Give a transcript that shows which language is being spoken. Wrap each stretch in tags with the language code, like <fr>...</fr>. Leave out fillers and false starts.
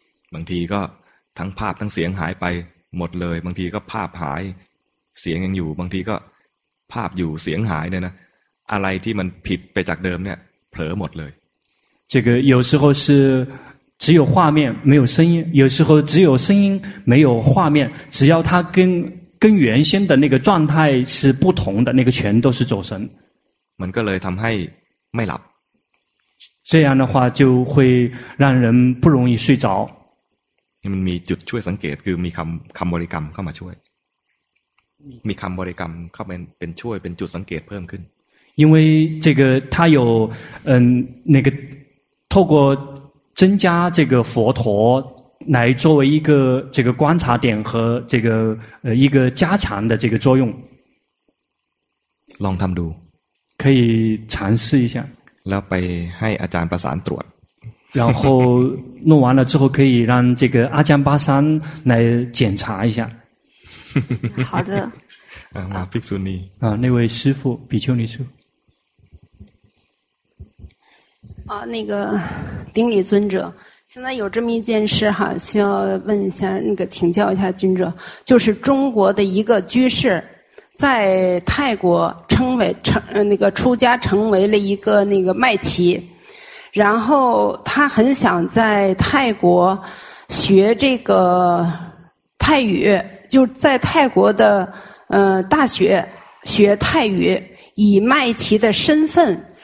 <th>บางทีก็ทั้งภาพทั้งเสียงหายไปหมดเลยบางทีก็ภาพหายเสียงยังอยู่บางทีก็ภาพอยู่เสียงหายเนี่ยนะอะไรที่มันผิดไปจากเดิมเนี่ยเผลอหมดเลย</th> <zh>这个有时候是只有画面没有声音有时候只有声音没有画面只要它跟原先的那个状态是不同的那个全都是走神</zh> <th>มันก็เลยทำให้ไม่หลับ</th> <zh>这样的话就会让人不容易睡着</zh> <th>มันมีจุดช่วยสังเกตคือมีคำบริกรรมเข้ามาช่วยมีคำบริกรรมเข้าเป็นช่วยเป็นจุดสังเกตเพิ่มขึ้น</th> <zh>因为这个它有那个透过增加这个佛陀来作为一个这个观察点和这个一个加强的这个作用</zh> <th>ลองทำดู</th> <zh>可以尝试一下</zh> <th>แล้วไปให้อาจารย์ประสานตรวจ</th> <zh>然后弄完了之后可以让这个阿江巴山来检查一下好的</zh> <th>มาภิกษุณี</th> <zh>那位师父比丘尼师父那个顶礼尊者现在有这么一件事哈需要问一下那个请教一下尊者就是中国的一个居士在泰国称出家成为了一个那个麦乞然后他很想在泰国学这个泰语就在泰国的大学学泰语以麦乞的身份</zh>